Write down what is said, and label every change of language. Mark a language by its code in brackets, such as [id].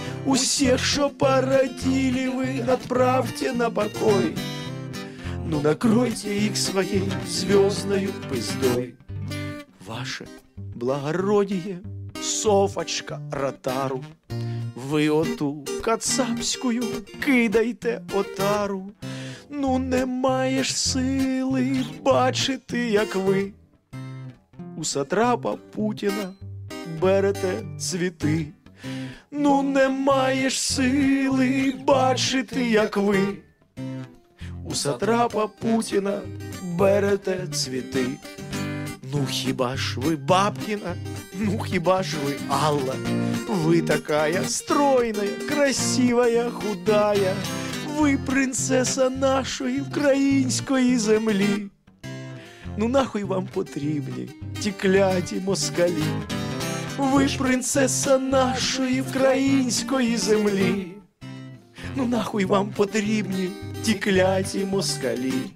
[ru] У всех, что породили вы, отправьте на покой. Ну, накройте их своей звездною пиздой. Ваше благородие, Софочка Ротару, вы оту кацапскую кидайте отару. [uk] Ну, не маєш сили бачити, як ви у сатрапа Путіна берете цвіти. Ну, не маєш сили бачити, як ви у сатрапа Путіна берете цвіти. Ну, хіба ж ви Бабкіна, ну, хіба ж ви Алла? [ru] Ви такая стройная, красивая, худая. [uk] Ви принцеса нашої української землі. Ну, нахуй вам потрібні ті кляті москалі? Ви принцеса нашої української землі. Ну, нахуй вам потрібні ті кляті москалі?